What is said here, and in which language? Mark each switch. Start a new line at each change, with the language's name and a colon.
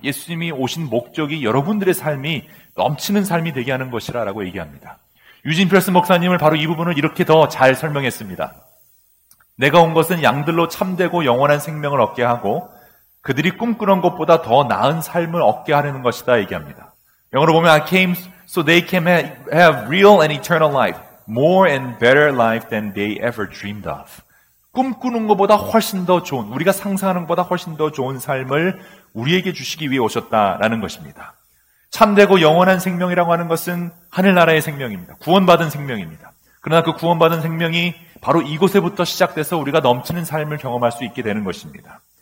Korean: 예수님이 오신 목적이 여러분들의 삶이 넘치는 삶이 되게 하는 것이라고 얘기합니다. 유진 필스 목사님을 바로 이 부분을 이렇게 더 잘 설명했습니다. 내가 온 것은 양들로 참되고 영원한 생명을 얻게 하고 그들이 꿈꾸는 것보다 더 나은 삶을 얻게 하려는 것이다 얘기합니다. 영어로 보면
English: I came so they can have real and eternal life, more and better life than they ever dreamed of.
Korean: 꿈꾸는 것보다 훨씬 더 좋은, 우리가 상상하는 것보다 훨씬 더 좋은 삶을 우리에게 주시기 위해 오셨다라는 것입니다. 참되고 영원한 생명이라고 하는 것은 하늘나라의 생명입니다. 구원받은 생명입니다. 그러나 그 구원받은 생명이 바로 이곳에부터 시작돼서 우리가 넘치는 삶을 경험할 수 있게 되는 것입니다.